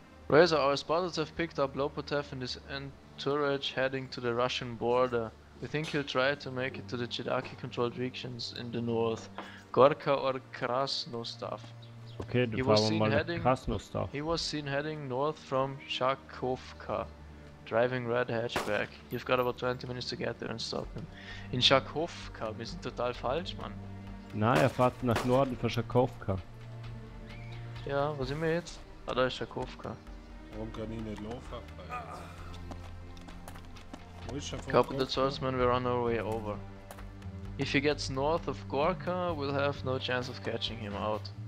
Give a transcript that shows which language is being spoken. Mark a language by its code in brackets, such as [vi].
[en] Razor, our spotters have picked up Lopotev and his entourage heading to the Russian border. We think he'll try to make it to the Chidaki-controlled regions in the north. Gorka or Krasnostav. [de] Okay, dann fahren wir mal heading, Krasnostav. [en] He was seen heading north from Shakovka, driving red hatchback. You've got about 20 minutes to get there and stop him. [de] In Shakovka, wir sind total falsch, Mann. Na, er fährt nach Norden von Shakovka. Ja, wo sind wir jetzt? Ah, da ist Shakovka. Warum kann ich nicht laufen? [en] Couple the swordsmen, we're on our way over. If he gets north of Gorka, we'll have no chance of catching him out.